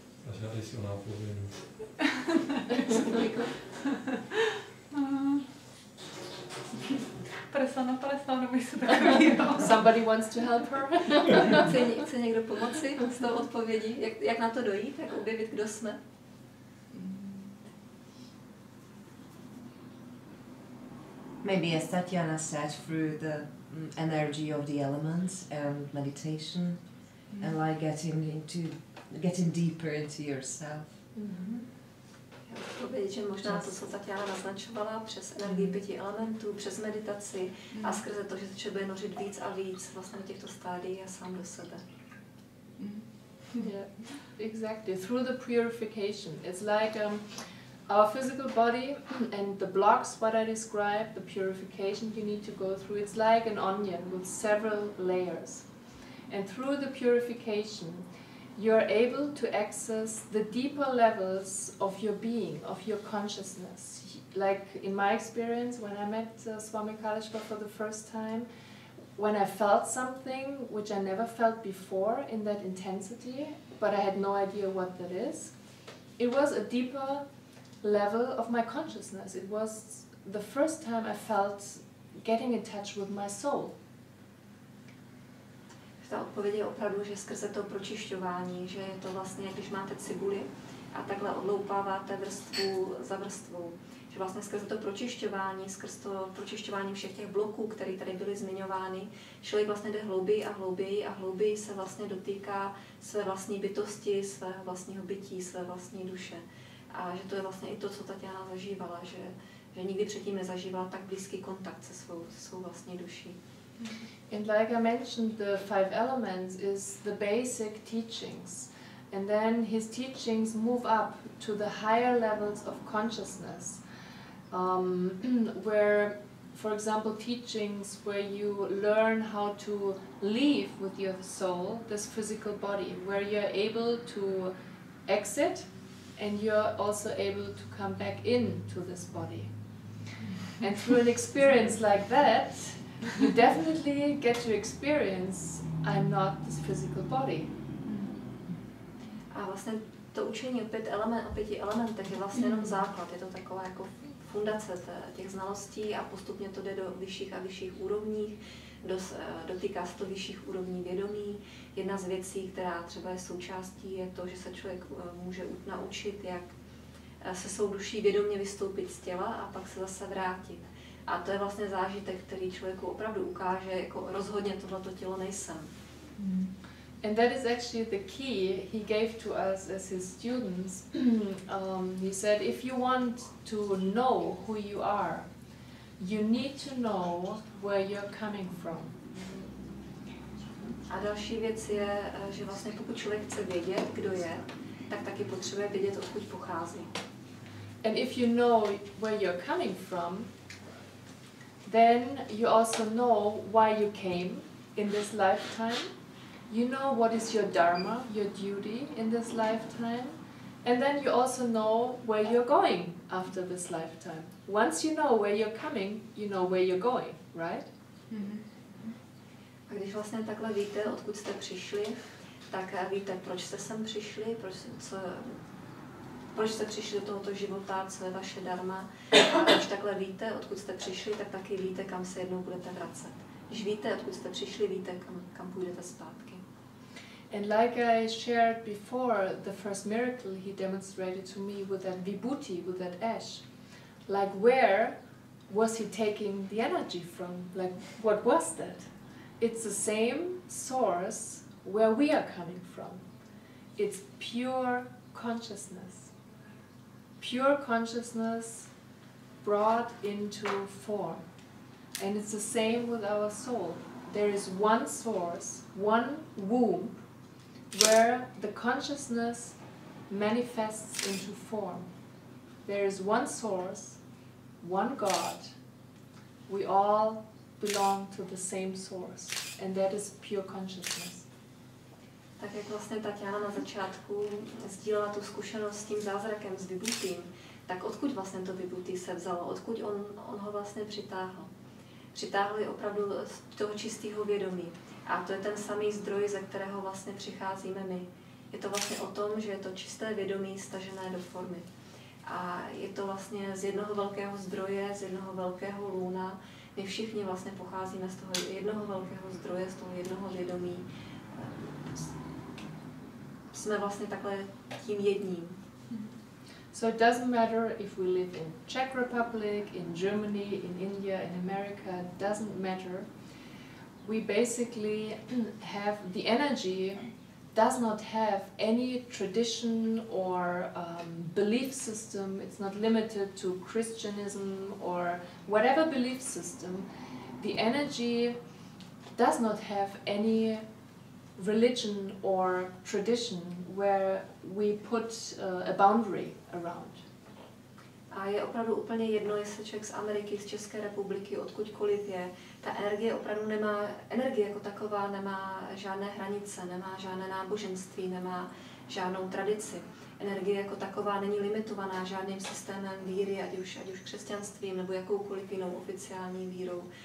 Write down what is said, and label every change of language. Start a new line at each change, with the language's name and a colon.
Czech: A žádej si o nápovědu. Presa na palestánu, my se takový.
English: Somebody wants to help her.
Czech: Chce někdo pomoci s tou odpovědí? Jak na to dojít? Jak objevit, kdo jsme?
English: Maybe as Tatyanna said, through the energy of the elements and meditation, mm-hmm. and like getting deeper into yourself. Mm-hmm.
Czech: Já bych povědět, že možná to, co Tatyanna naznačovala, přes energii pěti elementů, přes meditaci a skrze to, že se třeba bude nořit víc a víc vlastně do těchto stádií a sám do sebe. Mm-hmm.
English: Yeah, exactly. Through the purification. It's like our physical body and the blocks what I described, the purification you need to go through, it's like an onion with several layers. And through the purification, you're able to access the deeper levels of your being, of your consciousness. Like in my experience, when I met Swami Kaleshwar for the first time, when I felt something which I never felt before in that intensity, but I had no idea what that is, it was a deeper level of my consciousness. It was the first time I felt getting in touch with my soul.
Czech: Ta odpověď je opravdu, že skrze to pročišťování, že je to vlastně, když máte cibuli a takhle odloupáváte vrstvu za vrstvou, že vlastně skrze to pročišťování, skrze to pročišťování všech těch bloků, které tady byly zmiňovány, člověk vlastně jde hlouběji a hlouběji a hlouběji se vlastně dotýká své vlastní bytosti, svého vlastního bytí, své vlastní duše. A že to je vlastně i to, co Tatyana zažívala, že nikdy předtím nezažívala tak blízký kontakt se svou vlastní duší.
English: And like I mentioned, the five elements is the basic teachings. And then his teachings move up to the higher levels of consciousness, where, for example, teachings where you learn how to leave with your soul, this physical body, where you're able to exit and you're also able to come back into this body. And through an experience like that, you definitely get to experience I'm not this physical body.
Czech: A vlastně to učení o pěti elementech je vlastně jenom základ, je to taková jako fundace těch znalostí a postupně to jde do vyšších a vyšších úrovní, dotýká se to vyšších úrovní vědomí. Jedna z věcí, která třeba je součástí, je to, že se člověk může naučit, jak se svou duší vědomě vystoupit z těla a pak se zase vrátit. A to je vlastně zážitek, který člověku opravdu ukáže, jako rozhodně tohleto tělo nejsem.
English: And that is actually the key he gave to us as his students. He said, if you want to know who you are, you need to know where you're coming from.
Czech: A další věc je, že vlastně pokud člověk chce vědět, kdo je, tak taky potřebuje vědět, odkud pochází.
English: And if you know where you're coming from, then you also know why you came in this lifetime. You know what is your dharma, your duty in this lifetime. And then you also know where you're going after this lifetime. Once you know where you're coming, you know where you're going, right?
Czech: A když vlastně takhle víte, odkud jste přišli, tak víte, proč jste sem přišli, proč jste přišli do tohoto života, co je vaše dharma. A když takhle víte, odkud jste přišli, tak taky víte, kam se jednou budete vracet. Když víte, odkud jste přišli, víte, kam půjdete zpátky.
English: And like I shared before, the first miracle he demonstrated to me with that vibhuti, with that ash. Like where was he taking the energy from? Like what was that? It's the same source where we are coming from. It's pure consciousness. Pure consciousness brought into form. And it's the same with our soul. There is one source, one womb, where the consciousness manifests into form. There is one source, one God. We all belong to the same source, and that is pure consciousness.
Czech: Tak jak vlastně Tatyana na začátku sdílela tu zkušenost s tím zázrakem, s vibhutím, tak odkud vlastně to vibhuti se vzalo, odkud on ho vlastně přitáhl. Přitáhl je opravdu z toho čistého vědomí a to je ten samý zdroj, ze kterého vlastně přicházíme my. Je to vlastně o tom, že je to čisté vědomí stažené do formy. A je to vlastně z jednoho velkého zdroje, z jednoho velkého lůna. My všichni vlastně pocházíme z toho jednoho velkého zdroje, z toho jednoho vědomí. Jsme vlastně takhle tím jedním.
English: So it doesn't matter if we live in Czech Republic, in Germany, in India, in America, doesn't matter. We basically have the energy does not have any tradition or belief system. It's not limited to Christianism or whatever belief system. The energy does not have any religion or tradition where we put a boundary around.
Czech: A je opravdu úplně jedno, jestli člověk z Ameriky, z České republiky, odkudkoliv je. Ta energie opravdu nemá, energie jako taková nemá žádné hranice, nemá žádné náboženství, nemá žádnou tradici. Energie jako taková není limitovaná žádným systémem víry, ať už křesťanstvím nebo jakoukoliv jinou oficiální vírou.